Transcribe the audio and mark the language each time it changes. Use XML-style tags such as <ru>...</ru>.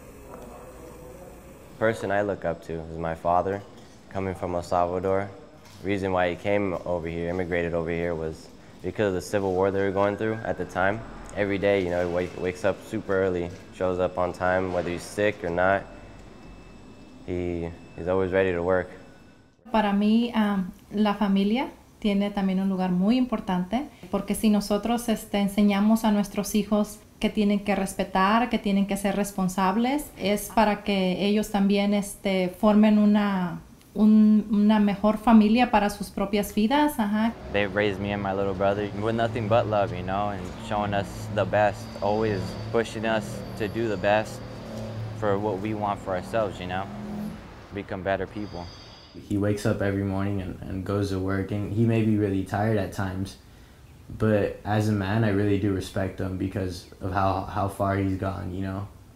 <en>The person I look up to is my father, coming from El Salvador. The reason why he came over here, immigrated over here, was because of the civil war they were going through at the time. Every day, you know, he wakes up super early, shows up on time, whether he's sick or not. He's always ready to work.</en> <es>Para mí, la familia tiene también un lugar muy importante, porque si nosotros enseñamos a nuestros hijos que tienen que respetar, que tienen que ser responsables, es para que ellos también formen una mejor familia para sus propias vidas.</es> <en>They've raised me and my little brother with nothing but love, you know, and showing us the best, always pushing us to do the best for what we want for ourselves, you know, become better people. He wakes up every morning and goes to work, and he may be really tired at times, but as a man, I really do respect him because of how far he's gone, you know?</en>